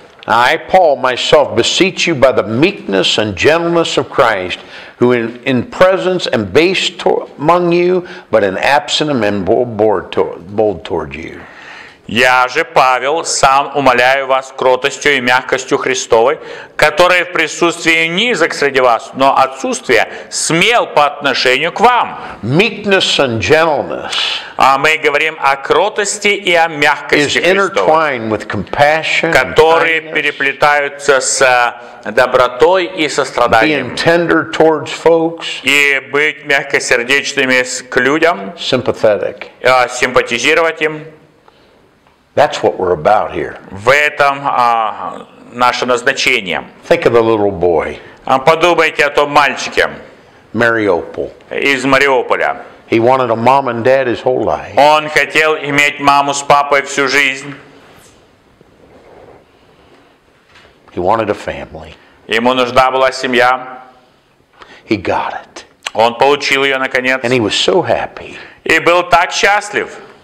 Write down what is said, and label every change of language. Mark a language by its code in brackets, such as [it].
[en] I, Paul, myself beseech you by the meekness and gentleness of Christ, who in presence and base among you, but in absent and bold toward you. [ru] Я же, Павел, сам умоляю вас кротостью и мягкостью Христовой, который в присутствии низок среди вас, но отсутствие смел по отношению к вам. [en] Meekness and gentleness. [ru] А мы говорим о кротости и о мягкости [en] is intertwined with compassion, [ru] которые [en] kindness, [ru] переплетаются с добротой и состраданием. [en] Being tender towards folks, [ru] и быть мягкосердечными к людям. [en] Sympathetic. [ru] Симпатизировать им. [en] That's what we're about here. [ru] В этом наше назначение. [en] Think of the little boy. [ru] Подумайте о том мальчике. Мариуполь. Из Мариуполя. [en] He wanted a mom and dad his whole life. [ru] Он хотел иметь маму с папой всю жизнь. [en] He wanted a family. [ru] Ему нужна была семья. [en] He got it. [ru] Он получил ее наконец. [en] And he was so happy. [ru] И был так счастлив.